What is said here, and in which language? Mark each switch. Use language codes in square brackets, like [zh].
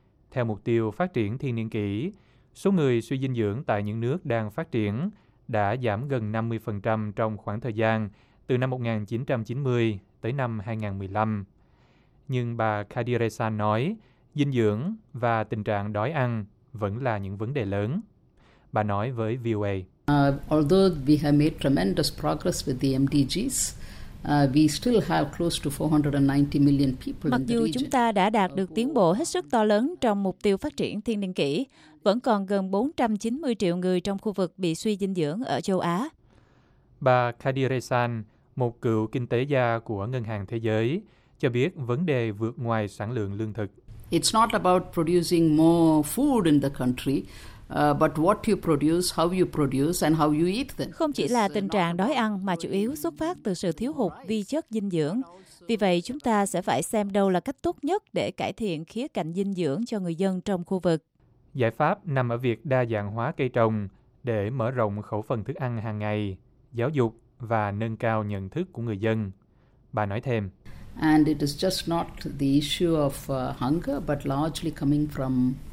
[vi] Theo mục tiêu phát triển thiên niên kỷ, số người suy dinh dưỡng tại những nước đang phát triển đã giảm gần 50% trong khoảng thời gian từ năm 1990 tới năm 2015. Nhưng bà Kadiresan nói, dinh dưỡng và tình trạng đói ăn vẫn là những vấn đề lớn. Bà nói với VOA. [en] Although we have made tremendous progress with the MDGs, we still have close to 490 million people in the region. [vi] Mặc dù chúng ta đã đạt được tiến bộ hết sức to lớn trong mục tiêu phát triển thiên niên kỷ, vẫn còn gần 490 triệu người trong khu vực bị suy dinh dưỡng ở châu Á. Bà Kadiresan, một cựu kinh tế gia của Ngân hàng Thế giới, cho biết vấn đề vượt ngoài sản lượng lương thực. [en] It's not about producing more food in the country. But what you produce, how you produce, and how you eat them. [vi] Không chỉ là tình trạng đói ăn mà chủ yếu xuất phát từ sự thiếu hụt vi chất dinh dưỡng. Vì vậy, chúng ta sẽ phải xem đâu là cách tốt nhất để cải thiện khía cạnh dinh dưỡng cho người dân trong khu vực. Giải pháp nằm ở việc đa dạng hóa cây trồng để mở rộng khẩu phần thức ăn hàng ngày, giáo dục và nâng cao nhận thức của người dân. Bà nói thêm. [en] And it is just not the issue of hunger, but largely coming from